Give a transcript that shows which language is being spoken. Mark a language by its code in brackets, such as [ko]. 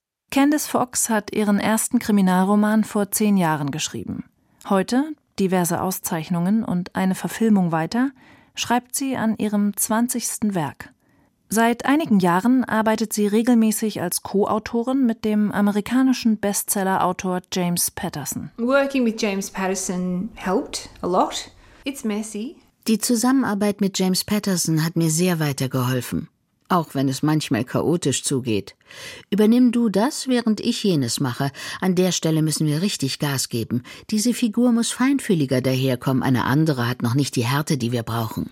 [de] Candice Fox hat ihren ersten Kriminalroman vor 10 Jahren geschrieben. Heute, diverse Auszeichnungen und eine Verfilmung weiter, schreibt sie an ihrem 20. Werk. Seit einigen Jahren arbeitet sie regelmäßig als Co-Autorin mit dem amerikanischen Bestseller-Autor James Patterson. [en] Working with James Patterson helped a lot. [de] Die Zusammenarbeit mit James Patterson hat mir sehr weitergeholfen, auch wenn es manchmal chaotisch zugeht. Übernimm du das, während ich jenes mache. An der Stelle müssen wir richtig Gas geben. Diese Figur muss feinfühliger daherkommen. Eine andere hat noch nicht die Härte, die wir brauchen.